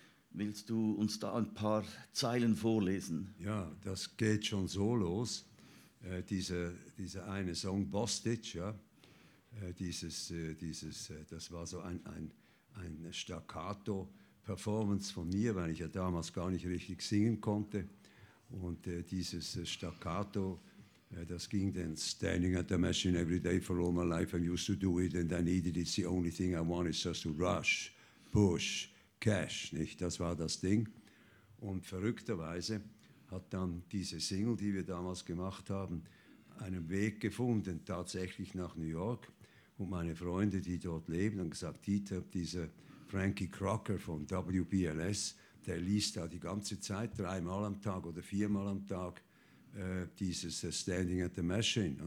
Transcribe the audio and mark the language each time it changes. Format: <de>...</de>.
<de>Willst du uns da ein paar Zeilen vorlesen? Ja, das geht schon so los. Dieser eine Song, Bostage, ja, das war so ein Staccato Performance von mir, weil ich ja damals gar nicht richtig singen konnte. Und dieses Staccato, das ging dann,</de> <en>standing at the machine every day for all my life, I used to do it and I needed it, it's the only thing I want is just to rush, push, cash,</en> <de>nicht? Das war das Ding. Und verrückterweise hat dann diese Single, die wir damals gemacht haben, einen Weg gefunden, tatsächlich nach New York. Und meine Freunde, die dort leben, haben gesagt, Dieter, dieser Frankie Crocker von WBLS, der liest da die ganze Zeit, dreimal am Tag oder viermal am Tag, dieses Standing at the Machine.</de>